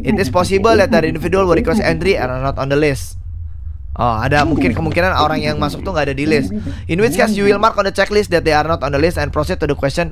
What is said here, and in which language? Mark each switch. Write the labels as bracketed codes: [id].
[en] It is possible that the individual will request entry and are not on the list. [id] Oh, ada mungkin kemungkinan orang yang masuk tuh enggak ada di list. [en] In which case you will mark on the checklist that they are not on the list and proceed to the question.